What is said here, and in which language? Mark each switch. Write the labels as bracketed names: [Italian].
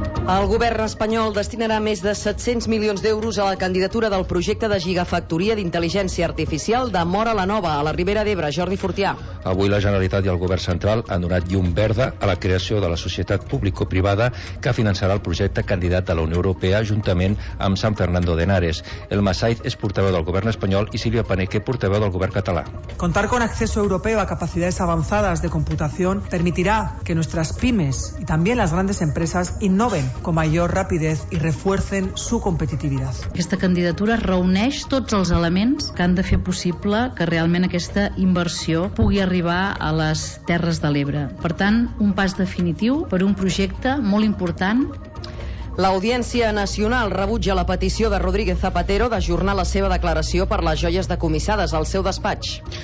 [Catalan] El govern espanyol destinarà més de 700 milions d'euros a la candidatura del projecte de gigafactoria d'intel·ligència artificial de Móra la Nova, a la Ribera d'Ebre. Jordi Fortià. Avui la Generalitat i el govern central han donat llum verda a la creació de la societat público-privada que finançarà el projecte candidat a la Unió Europea juntament amb San Fernando de Henares. El Massaid és portaveu del govern espanyol i Silvia Paneque, portaveu del govern català. [Spanish] Contar con acceso europeo a capacidades avanzadas de computación permitirá que nuestras pymes y también las grandes empresas innoven con mayor rapidez y refuercen su competitividad. [Catalan] Aquesta candidatura reuneix tots els elements que han de fer possible que realment aquesta inversió pugui arribar a les Terres de l'Ebre. Per tant, un pas definitiu per un projecte molt important. L'Audiència Nacional rebutja la petició de Rodríguez Zapatero d'ajornar la seva declaració per les joies decomissades al seu despatx.